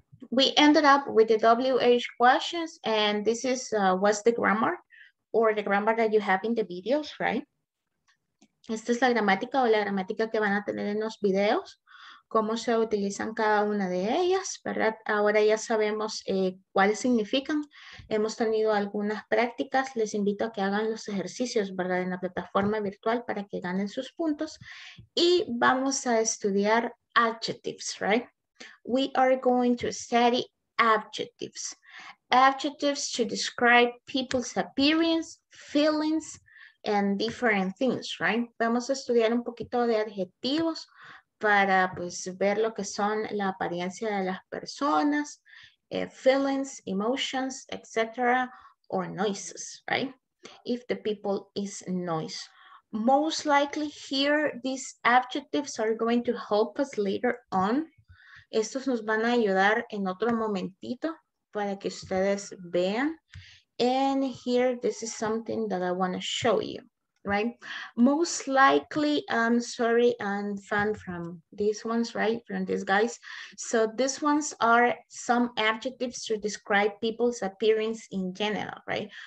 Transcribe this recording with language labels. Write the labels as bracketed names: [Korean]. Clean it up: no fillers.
[English] We ended up with the WH questions, and this is what's the grammar or the grammar that you have in the videos, right? [Spanish] Esta es la gramática o la gramática que van a tener en los videos, cómo se utilizan cada una de ellas, ¿verdad? Ahora ya sabemos cuáles significan. Hemos tenido algunas prácticas. Les invito a que hagan los ejercicios, ¿verdad? En la plataforma virtual para que ganen sus puntos. Y vamos a estudiar adjectives, right? [English] We are going to study adjectives. Adjectives to describe people's appearance, feelings, and different things, right? [Spanish] Vamos a estudiar un poquito de adjetivos para pues ver lo que son la apariencia de las personas, [English] feelings, emotions, etc., or noises, right? If the people is noise. Most likely here, these adjectives are going to help us later on. [Spanish] Estos nos van a ayudar en otro momentito para que ustedes vean. [English] And here, this is something that I want to show you, right? Most likely, I'm sorry, I'm fan from these ones, right? From these guys. So these ones are some adjectives to describe people's appearance in general, right?